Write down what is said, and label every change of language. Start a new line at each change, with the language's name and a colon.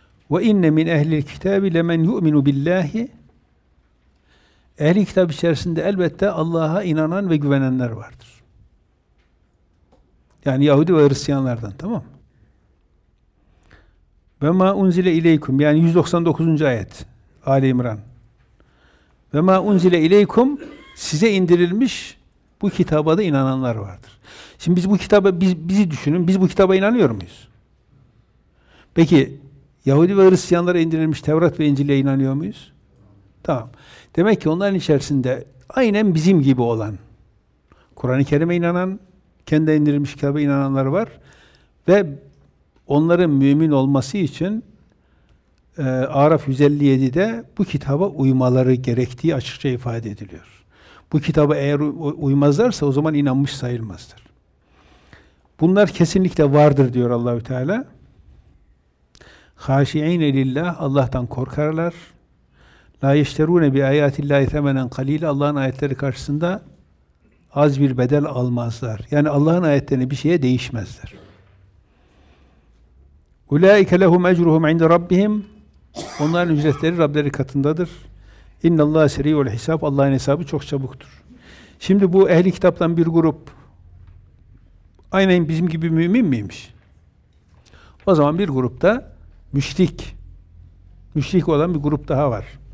Arabic: وَاِنَّ مِنْ اَهْلِ الْكِتَابِ لَمَنْ يُؤْمِنُ بِاللّٰهِ
Turkish: Ehl-i kitap içerisinde elbette Allah'a inanan ve güvenenler vardır. Yani Yahudi ve Hristiyanlardan, tamam mı?
Arabic: وَمَا اُنْزِلَ اِلَيْكُمْ
Turkish: Yani 199. ayet Ali İmran.
Arabic: وَمَا اُنْزِلَ اِلَيْكُمْ
Turkish: Size indirilmiş bu kitaba da inananlar vardır. Şimdi biz bu kitaba, bizi düşünün, biz bu kitaba inanıyor muyuz? Peki, Yahudi ve Hristiyanlara indirilmiş Tevrat ve İncil'e inanıyor muyuz? Tamam. Demek ki onların içerisinde aynen bizim gibi olan, Kur'an-ı Kerim'e inanan, kendine indirilmiş kitaba inananlar var. Ve onların mümin olması için Araf 157'de bu kitaba uymaları gerektiği açıkça ifade ediliyor. Bu kitaba eğer uymazlarsa o zaman inanmış sayılmazdır. Bunlar kesinlikle vardır diyor Allah-u Teala.
Arabic: خَاشِعِينَ لِلّٰهِ
Turkish: Allah'tan korkarlar.
Arabic: لَا يَشْتَرُونَ بِاَيَاتِ اللّٰهِ ثَمَنًا قَل۪يلًا
Turkish: Allah'ın ayetleri karşısında az bir bedel almazlar. Yani Allah'ın ayetlerini bir şeye değişmezler.
Arabic: اُولَٰئِكَ لَهُمْ اَجْرُهُمْ عِنْدَ رَبِّهِمْ
Turkish: Onların ücretleri Rableri katındadır.
Arabic: اِنَّ اللّٰهَ سَر۪يُّ الْحِسَابِ
Turkish: Allah'ın hesabı çok çabuktur. Şimdi bu ehli kitaptan bir grup aynen bizim gibi mümin miymiş? O zaman bir grupta müşrik. Müşrik olan bir grup daha var.